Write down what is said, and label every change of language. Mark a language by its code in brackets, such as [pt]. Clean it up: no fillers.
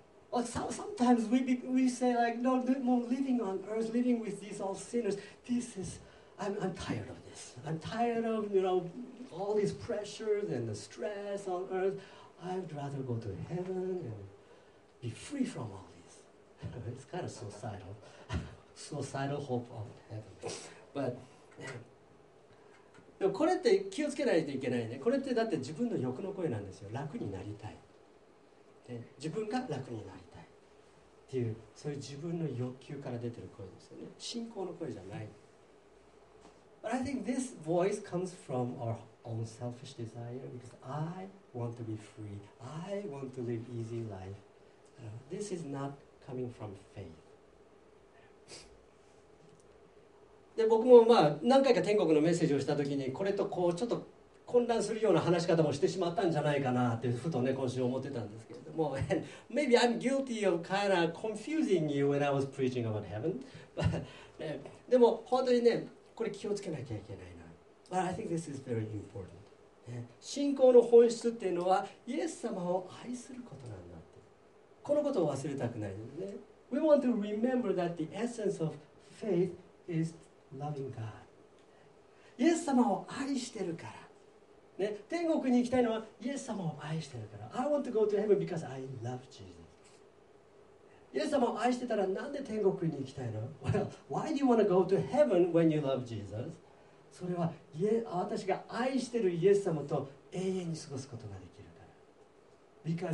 [en] Sometimes we say like, no, more living on earth, living with these all sinners, this is, I'm tired of this. I'm tired of, you know, all these pressures and the stress on earth. I'd rather go to heaven and be free from all this. It's kind of suicidal. Suicidal hope of heaven. But, [ja] でもこれって気をつけないといけないね。これってだって自分の欲の声なんですよ。楽になりたい。自分が楽になりたいっていう、そういう自分の欲求から出てる声ですよね。信仰の声じゃない。 [en] But I think this voice comes from our own selfish desire because I want to be free. I want to live easy life. This is not coming from faith. [ja] で、僕もまあ何回か天国のメッセージをした時にこれとこうちょっと混乱するような話し方もしてしまったんじゃないかなってふとね今週思ってたんですけれども、 [en] Maybe I'm guilty of kind of confusing you when I was preaching about heaven. [ja] でも本当にねこれ気をつけなきゃいけないな。 [en] But I think this is very important. [ja] 信仰の本質っていうのはイエス様を愛することなんだって。このことを忘れたくないですね。 [en] We want to remember that the essence of faith is loving God. [ja] イエス様を愛してるから。ね、天国に行きたいのはイエス様を愛してるから。 [en] I want to go to heaven because I love Jesus. [ja] イエス様を愛してたらなんで天国に行きたいの？ [en] Well, why do you want to go to heaven when you love Jesus? [ja] それは私が愛してるイエス様と永遠に過ごすことができるから。